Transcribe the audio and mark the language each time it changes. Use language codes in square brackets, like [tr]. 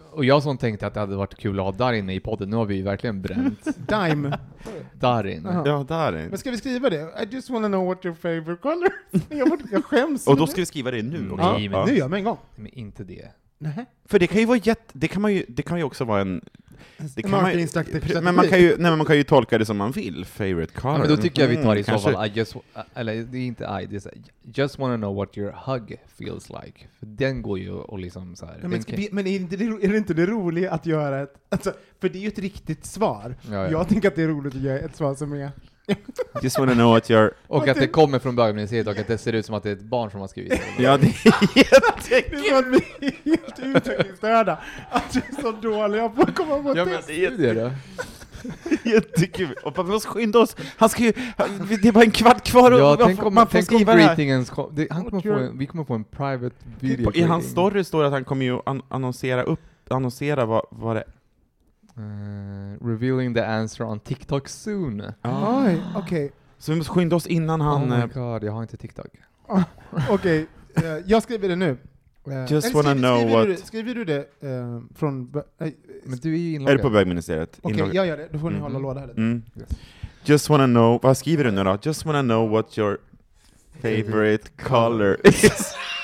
[sv] Och jag som tänkte att det hade varit kul att ha Darin i podden. Nu har vi ju verkligen bränt Dime. Darin. Ja, Darin. Men ska vi skriva det? [en] I just want to know what your favorite color. [sv] Jag skäms. Och då ska vi skriva det nu. Mm. Nej, men nu gör jag en gång. Men inte det. Nej. För det kan ju vara det kan ju också vara en det kan man, men man kan ju nej, men man kan ju tolka det som man vill. [en] Favorite color. [sv] Men då tycker jag vi tar det i så fall. [en] I just [sv] eller det är inte I, det är [en] just want to know what your hug feels like. [sv] För den går ju och liksom så här. Men är det inte det roliga att göra ett alltså, för det är ju ett riktigt svar. Ja. Jag tänker att det är roligt att göra ett svar som är [en] just want to know what your [sv] och att det kommer från bögmuseet och att det ser ut som att det är ett barn som har skrivit det. Ja, det är jättekul. Det är som att vi är helt uttryckningsstörda. Att vi är så dåliga på att komma på ja, men det är jättekul. Och vi måste skynda oss. Han ska ju, det är bara en kvart kvar. Och ja, tänk om greetingens. Vi kommer få en [en] private video. [sv] I hans story står att han kommer ju annonsera vad det är. [en] Revealing the answer on TikTok soon. [sv] Okej. Okay. Så vi måste skynda oss innan han God, jag har inte TikTok. Okej. Okay. Jag skriver det nu. [en] Just wanna know what... [sv] Skriver du det från... Men du är ju inloggad. Är du på vägministeriet? Okej, okay, jag gör det. Då får ni hålla låda här. [en] Just wanna know... [sv] Vad skriver du nu då? [en] Just wanna know what your favorite color is.